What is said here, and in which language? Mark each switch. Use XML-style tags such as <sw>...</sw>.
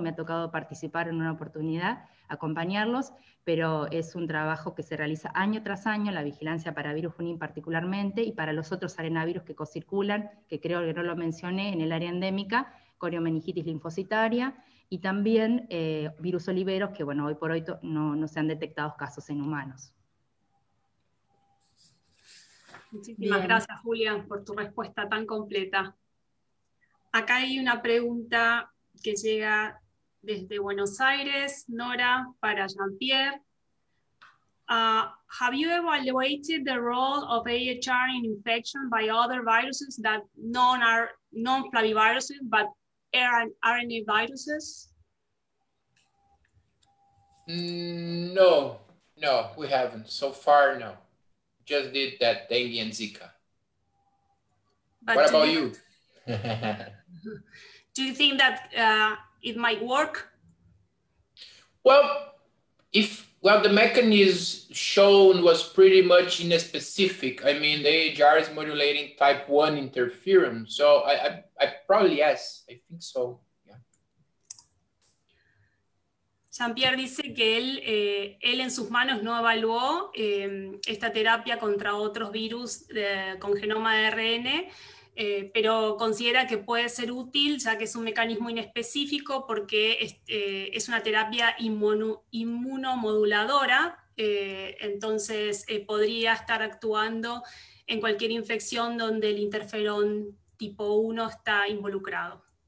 <es>Me ha tocado participar en una oportunidad, acompañarlos, pero es un trabajo que se realiza año tras año, la vigilancia para virus Junín particularmente, y para los otros arenavirus que cocirculan, que creo que no lo mencioné, en el área endémica, coriomeningitis linfocitaria, y también virus Oliveros, que bueno, hoy por hoy no se han detectado casos en humanos. Muchísimas Bien. Gracias, Julia, por tu respuesta tan completa. Acá hay una pregunta que llega desde Buenos Aires, Nora, para Jean-Pierre.</es> <en>Have you evaluated the role of AHR in infection by other viruses that non-flaviviruses, but RNA viruses? No, we haven't. So far, no. Just did that dengue and Zika. But what about you? Do you think that it might work? Well, the mechanism shown was pretty much inspecific. I mean, the AHR is modulating type 1 interferon. So I probably, yes, I think so.</en> <es>Jean-Pierre dice que él en sus manos no evaluó esta terapia contra otros virus con genoma de RN, pero considera que puede ser útil, ya que es un mecanismo inespecífico, porque es una terapia inmunomoduladora, entonces podría estar actuando en cualquier infección donde el interferón tipo 1 está involucrado.</es>